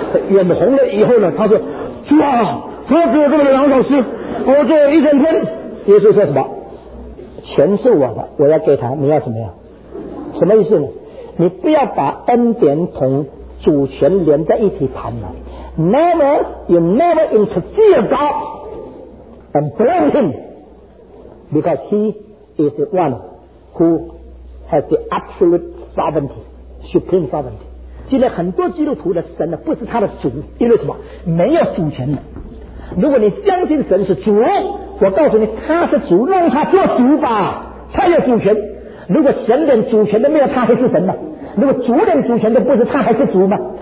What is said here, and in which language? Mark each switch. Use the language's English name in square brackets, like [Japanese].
[Chinese] 眼红了以后呢，他说，主啊，他给我这么两小时，我做一整天。耶稣说什么？全是我的，我要给他，你要怎么样？什么意思呢？你不要把恩典同主权连在一起谈了。 [English] Never, you never interfere God and blame him because he is the oneWho has the absolute sovereignty, supreme sovereignty? [Chinese] 现在很多基督徒的神呢，不是他的主，因为什么？没有主权的。如果你相信神是主，我告诉你，他是主，弄他做主吧，他有主权。如果神连主权都没有，他还是神吗？如果主连主权都不是，他还是主吗？